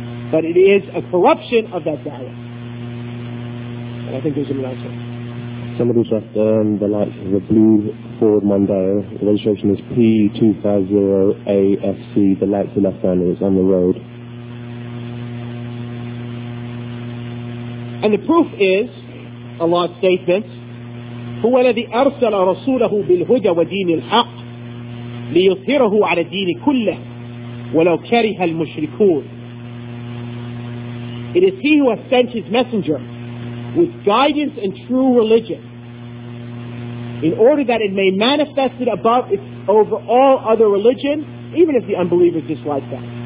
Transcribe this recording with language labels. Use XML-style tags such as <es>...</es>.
<en>But it is a corruption of that da'wah. And I think there's an answer. Somebody just left the light of the blue Ford Mondeo. The registration is P250AFC. The lights are left on, it's on the road. And the proof is Allah's statement,</en> <ar>هُوَ الَّذِي أَرْسَلَ رَسُولَهُ بِالْهُدَى وَدِينِ الْحَقِّ لِيُظْهِرَهُ عَلَى الدِّينِ كُلَّهِ وَلَوْ كَرِهَ الْمُشْرِكُونَ.</ar> <en>It is He who has sent His messenger with guidance and true religion in order that it may manifest it above its over all other religion, even if the unbelievers dislike that.</en>